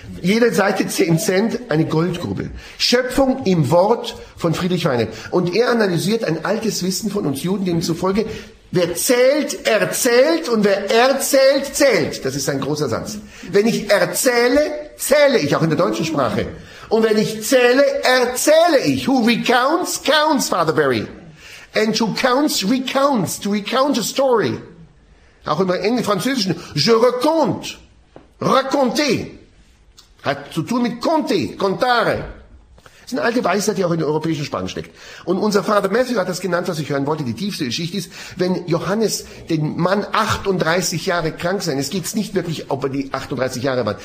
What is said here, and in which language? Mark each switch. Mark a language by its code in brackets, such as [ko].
[de] Jede Seite 10 Cent, eine Goldgrube. Schöpfung im Wort von Friedrich Weinrib. Und er analysiert ein altes Wissen von uns Juden, demzufolge, wer zählt, erzählt und wer erzählt, zählt. Das ist ein großer Satz. Wenn ich erzähle, zähle ich, auch in der deutschen Sprache. Und wenn ich zähle, erzähle ich. [en] Who recounts, counts, Father Barry. And who counts, recounts. To recount a story. [de] Auch im englischen, französischen. Je raconte. Raconter. Hat zu tun mit conter, contare. Das ist eine alte Weisheit, die auch in der europäischen Sprache steckt. Und unser Father Matthew hat das genannt, was ich hören wollte, die tiefste Geschichte ist, wenn Johannes den Mann 38 Jahre krank sein, es geht nicht wirklich, ob er die 38 Jahre war.